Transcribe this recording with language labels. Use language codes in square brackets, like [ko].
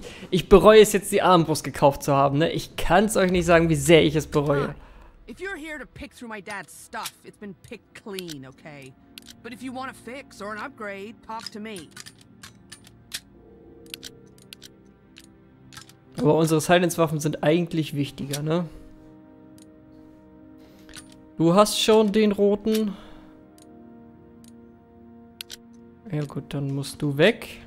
[de] Ich bereue es jetzt, die Armbrust gekauft zu haben, ne? Ich kann es euch nicht sagen, wie sehr ich es bereue. [en] If you're here to pick through my dad's stuff, it's been picked clean, okay? But if you want a fix or an upgrade, talk to me. [de] Aber unsere Silence-Waffen sind eigentlich wichtiger, ne? Du hast schon den roten. Ja gut, dann musst du weg.